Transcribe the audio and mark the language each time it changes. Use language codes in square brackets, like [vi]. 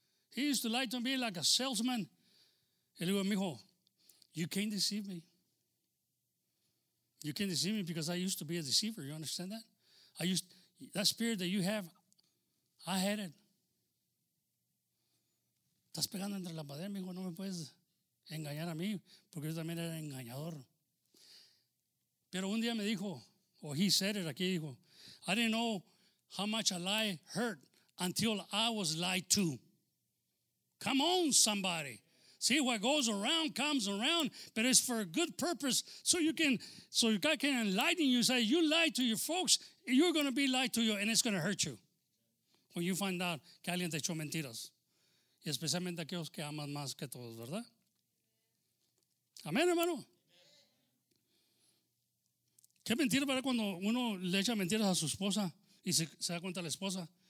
[en] He used to lie to me like a salesman. [es] Y le digo, mijo, [en] you can't deceive me. You can't deceive me because I used to be a deceiver. You understand that? That spirit that you have, I had it. [es] Estás pegando entre la pared, mijo. No me puedes engañar a mí porque yo también era engañador. Pero un día me dijo, [en] or he said it aquí, dijo, I didn't know how much a lie hurt until I was lied to. Come on, somebody. See, what goes around comes around, but it's for a good purpose. So God can enlighten you. Say, you lied to your folks, you're going to be lied to you, and it's going to hurt you. When you find out [es] que alguien te echó mentiras. Y especialmente aquellos que aman más que todos, ¿verdad? Amén, hermano. ¿Qué mentira para cuando uno le echa mentiras a su esposa y se da cuenta la esposa?